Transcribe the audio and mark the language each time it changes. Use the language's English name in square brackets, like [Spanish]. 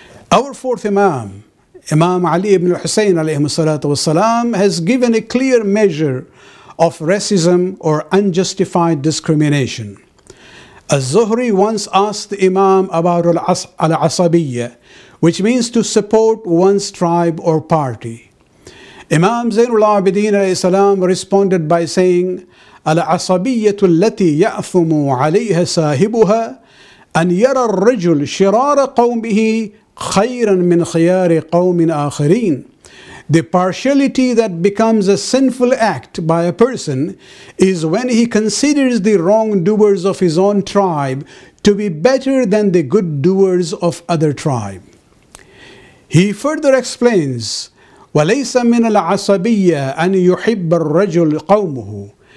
[English] Our fourth Imam, Imam Ali ibn Hussein alayhi salatu wasalam, has given a clear measure of racism or unjustified discrimination. Az-Zuhri once asked the Imam about al-Asabiyya, which means to support one's tribe or party. Imam Zainul Abidin alayhi salam responded by saying, [Arabic] العصبية التي يعثم عليها ساهبها أن يرى الرجل شرار قومه خيرا من خيار قوم آخرين. [English] The partiality that becomes a sinful act by a person is when he considers the wrongdoers of his own tribe to be better than the good doers of other tribe. He further explains, [Arabic] وَلَيْسَ مِنَ الْعَصَبِيَّةِ أَن يُحِبَّ الرَّجُلُ قَوْمُهُ.